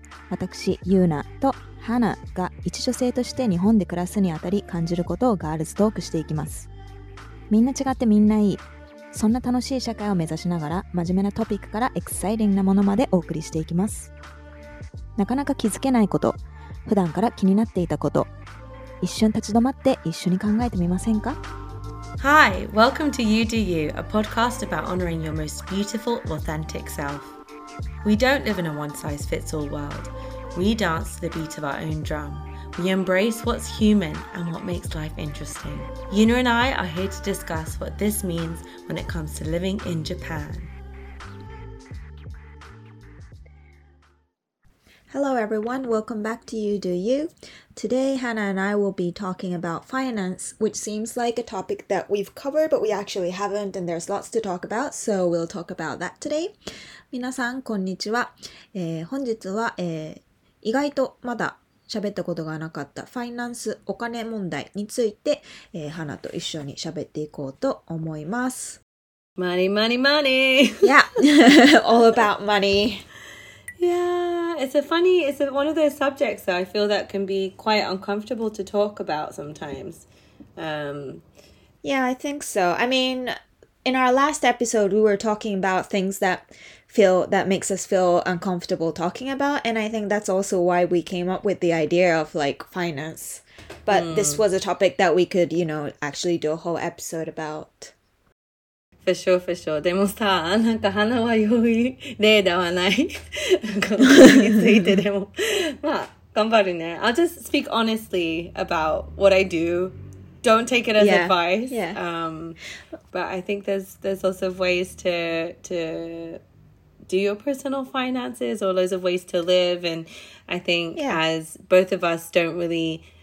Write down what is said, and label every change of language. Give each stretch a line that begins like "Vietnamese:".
Japanese: 私ユーナとハナが一女性として日本で暮らすにあたり感じることをガールズトークしていきます。みんな違ってみんないい、そんな楽しい社会を目指しながら、真面目なトピックからエクサイティングなものまでお送りしていきます。なかなか気づけないこと、普段から気になっていたこと、一瞬立ち止まって一緒に考えてみませんか？
English: Hi, welcome to You Do You, a podcast about honoring your most beautiful, authentic self. We don't live in a one-size-fits-all world. We dance to the beat of our own drum. We embrace what's human and what makes life interesting. Yuna and I are here to discuss what this means when it comes to living in Japan. Hello everyone, welcome back to You Do You. Today, Hannah and I will be talking about finance, which seems like a topic that we've covered, but we actually haven't, and there's lots to talk about, so we'll talk about that today.
Japanese: 皆さん、こんにちは。本日は、意外とまだ喋ったことがなかったファイナンス、お金問題について、Hannah と一緒に喋っていこうと思います。
English: Money, money, money! Yeah, all about money. Yeah, it's one of those subjects that I feel that can be quite uncomfortable to talk about sometimes. Yeah, I think so. I mean, in our last episode, we were talking about things that makes us feel uncomfortable talking about. And I think that's also why we came up with the idea of like finance. But this was a topic that we could, you know, actually do a whole episode about. For sure, for sure.
Japanese: でもさ、なんか花は良い例ではない。についてでも。まあ、頑張るね。
English: I'll just speak honestly about what I do. Don't take it as advice. Yeah. But I think there's lots of ways to do your personal finances or lots of ways to live. And I think as both of us don't really...